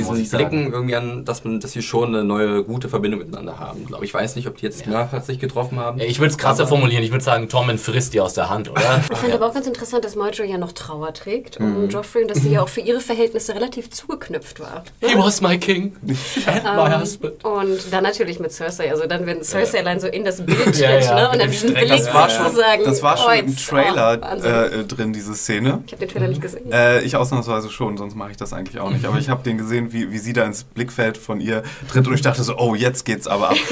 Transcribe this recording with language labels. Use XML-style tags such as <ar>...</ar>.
<de>Blicken irgendwie an, dass sie schon eine neue, gute Verbindung miteinander haben, glaube ich. Ich weiß nicht, ob die jetzt nachhaltig getroffen haben. Ich würde es krasser formulieren. Ich würde sagen, Tommen frisst die aus der Hand, oder? Ich finde aber auch ganz interessant, dass Marjorie ja noch Trauer trägt um Joffrey und dass sie ja auch für ihre Verhältnisse relativ zugeknüpft war.</de> <en>He was my king and my husband.</en> <de>Und dann natürlich mit Cersei. Also dann, wenn Cersei allein so in das Bild tritt, und dann diesen Blick sozusagen. Das war schon im Trailer drin, diese Szene. Ich habe den Trailer nicht gesehen. Ich ausnahmsweise schon, sonst mache ich das eigentlich auch nicht. Aber ich habe den gesehen, wie sie da ins Blickfeld von ihr tritt und ich dachte so, oh, jetzt geht's aber ab.</de>